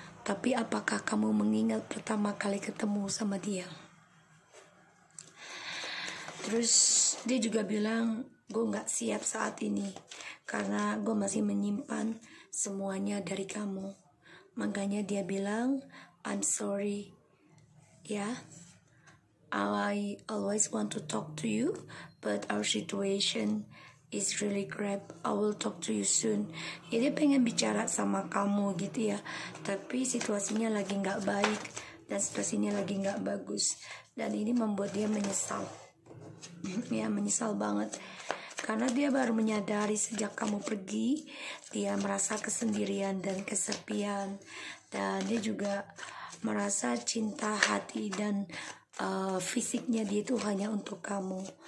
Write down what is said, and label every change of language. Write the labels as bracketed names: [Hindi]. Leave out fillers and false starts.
[Indonesian] Tapi apakah kamu mengingat pertama kali ketemu sama dia? Terus dia juga bilang, gue gak siap saat ini. Karena gue masih menyimpan semuanya dari kamu. Makanya dia bilang, [English] I'm sorry. Ya, I always want to talk to you, but our situation is really crap. I will talk to you soon. [Indonesian] Ya, dia pengen bicara sama kamu gitu ya, tapi situasinya lagi gak baik dan situasinya lagi gak bagus, dan ini membuat dia menyesal. Ya, menyesal banget karena dia baru menyadari sejak kamu pergi dia merasa kesendirian dan kesepian, dan dia juga merasa cinta hati dan fisiknya dia itu hanya untuk kamu.